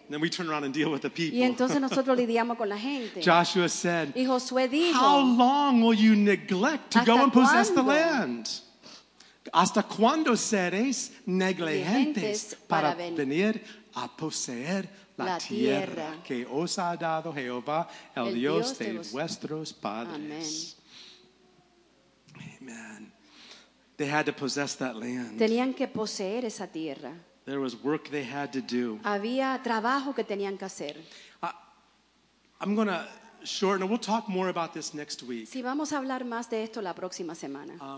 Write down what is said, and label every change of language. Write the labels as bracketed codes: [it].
[en] Then we turn around and deal with the people. [es] Y entonces nosotros lidiamos con la gente. [en] Joshua said, [es] y Josué dijo, [en] how long will you neglect to go and possess the land? [es] ¿Hasta cuándo seréis negligentes para venir a poseer la tierra que os ha dado Jehová, el Dios de vuestros padres? [en] Amen. They had to possess that land. [es] Tenían que poseer esa tierra. [en] There was work they had to do. [es] Había trabajo que tenían que hacer. [en] I'm going to shorten, and we'll talk more about this next week. [es] Sí, vamos a hablar más de esto la próxima semana.